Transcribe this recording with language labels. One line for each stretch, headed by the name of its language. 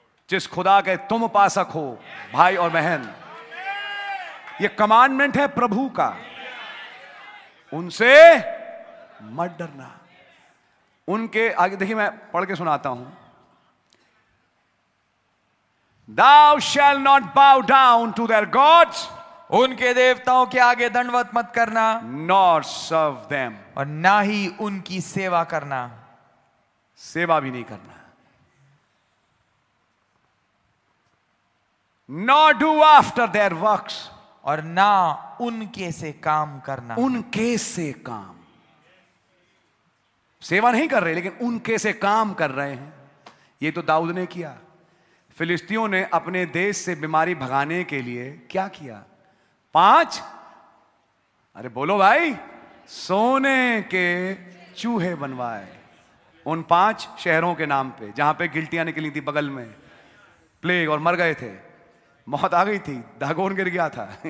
Hindi: जिस खुदा के तुम उपासक हो भाई और बहन, ये कमांडमेंट है प्रभु का, उनसे मत डरना। उनके आगे देखिए, मैं पढ़ के सुनाता हूं।
English: Thou shall not bow down to their gods,
Hindi: उनके देवताओं के आगे दंडवत मत करना,
English: nor serve them,
Hindi: और ना ही उनकी सेवा करना, सेवा भी नहीं करना।
English: Nor do after their works,
Hindi: और ना उनके से काम करना, उनके से काम, सेवा नहीं कर रहे लेकिन उनके से काम कर रहे हैं। ये तो दाऊद ने किया। फिलिस्तियों ने अपने देश से बीमारी भगाने के लिए क्या किया? 5, अरे बोलो भाई, सोने के चूहे बनवाए उन 5 शहरों के नाम पे, जहां पे गिल्टियां निकली थी बगल में प्लेग और मर गए थे, मौत आ गई थी, दागोन गिर गया था।